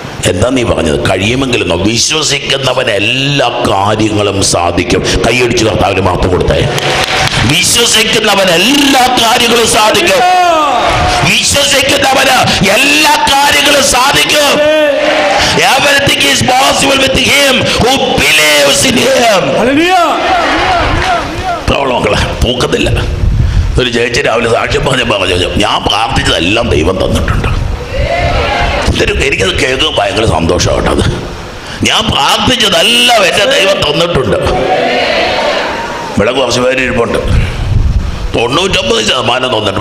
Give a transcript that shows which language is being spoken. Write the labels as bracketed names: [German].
[Malayalam] എന്താ നീ പറഞ്ഞത്, കഴിയുമെങ്കിലെന്നോ, വിശ്വസിക്കുന്നവൻ എല്ലാ കാര്യങ്ങളും സാധിക്കും. കൈയടിച്ചു കർത്താവിന് മാത്രം കൊടുത്തേ, വിശ്വസിക്കുന്നവൻ എല്ലാ കാര്യങ്ങളും സാധിക്കും, വിശ്വസിക്കുന്നവന് എല്ലാ കാര്യങ്ങളും സാധിക്കും. [English] Everything is possible with him who believes in him. [Malayalam] പ്രോബ്ലമൊക്കെ പൂക്കത്തില്ല. ഒരു ജയിച്ച് രാവിലെ സാക്ഷ്യം പറഞ്ഞപ്പോ ഞാൻ പ്രാർത്ഥിച്ചതെല്ലാം ദൈവം തന്നിട്ടുണ്ട്. എനിക്കത് കേൾക്കുക ഭയങ്കര സന്തോഷമാണ്. അത് ഞാൻ പ്രാർത്ഥിച്ചതെല്ലാം എന്റെ ദൈവം തന്നിട്ടുണ്ട്. ഇവിടെ കുറച്ച് പേര് ഇരിപ്പുണ്ട്, 99% തന്നിട്ടുണ്ട്.